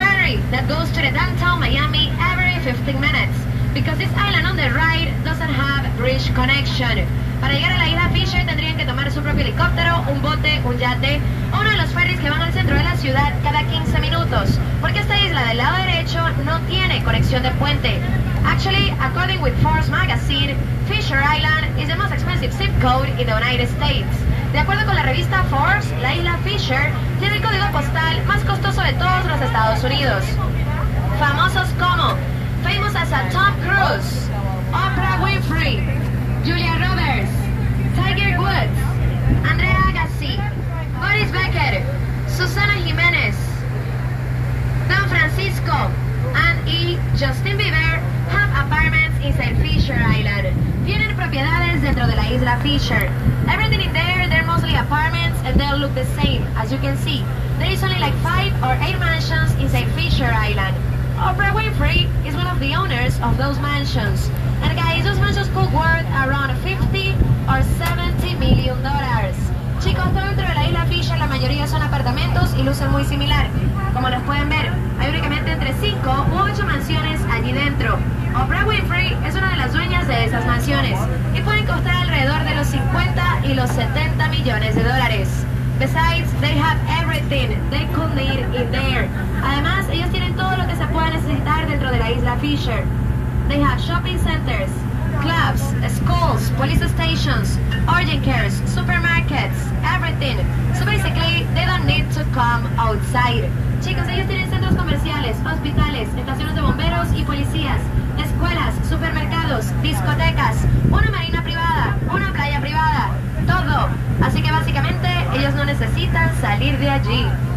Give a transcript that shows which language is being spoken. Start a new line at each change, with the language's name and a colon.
English: ferry that goes to the downtown Miami every 15 minutes because this island on the right doesn't have bridge connection.
Spanish: Para llegar a la isla Fischer tendrían que tomar su propio helicóptero, un bote, un yate o uno de los ferries que van al centro de la ciudad cada 15 minutos porque esta isla del lado derecho no tiene conexión de puente.
English: Actually, according with Forbes magazine, Fischer Island is the most expensive zip code in the United States.
Spanish: De acuerdo con la revista Forbes, la isla Fisher tiene el código postal más costoso de todos los Estados Unidos. Famosos como,
English: famous as a Tom Cruise, Oprah Winfrey, Julia Roberts, Tiger Woods, Andrea Agassi, Boris Becker, Susana Jimenez, Don Francisco, and E. Justin Bieber have apartments inside Fisher Island.
Spanish: Tienen propiedades dentro de la isla Fisher.
English: Everything in there, they're mostly apartments and they'll look the same, as you can see. There is only like 5 or 8 mansions inside Fisher Island. Oprah Winfrey is one of the owners of those mansions. And guys, those mansions could worth around $50 or $70 million.
Spanish: Chicos, todo dentro de la isla Fisher, la mayoría son apartamentos y lucen muy similar. Como los pueden ver, hay únicamente entre 5 u 8 mansiones allí dentro. Oprah Winfrey es una de las dueñas de esas mansiones y pueden costar alrededor de los 50 y los 70 millones de dólares.
English: Besides, they have everything they could need in there.
Spanish: Además, ellos tienen todo lo que se pueda necesitar dentro de la isla Fisher.
English: They have shopping centers, clubs, schools, police stations, urgent cares, supermarkets, everything. So basically, they don't need to come outside.
Spanish: Chicos, ellos tienen centros comerciales, hospitales, estaciones de bomberos y policías, escuelas, supermercados, discotecas, una marina privada, una playa privada, todo. Así que básicamente, ellos no necesitan salir de allí.